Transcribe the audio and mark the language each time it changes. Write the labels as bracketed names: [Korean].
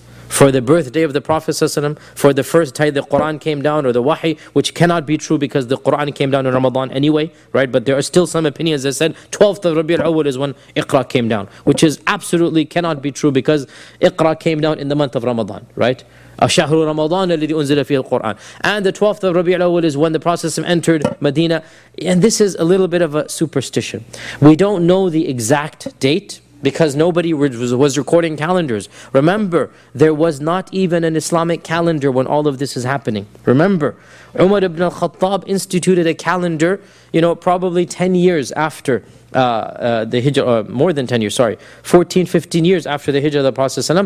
[English] For the birthday of the Prophet ﷺ, for the first time the Qur'an came down, or the wahi, which cannot be true because the Qur'an came down in Ramadan anyway, right? But there are still some opinions that said 12th of Rabi'ul Awwal is when Iqra came down, which is absolutely cannot be true because Iqra came down in the month of Ramadan, right? [Arabic] أشهر رمضان الذي أنزل فيه القرآن. [English] And the 12th of Rabi'ul Awwal is when the Prophet entered Medina. And this is a little bit of a superstition. We don't know the exact date because nobody was recording calendars. Remember, there was not even an Islamic calendar when all of this is happening. Remember, Umar ibn al-Khattab instituted a calendar, you know, probably 10 years after the Hijrah, more than 10 years, sorry, 14, 15 years after the Hijrah of the Prophet.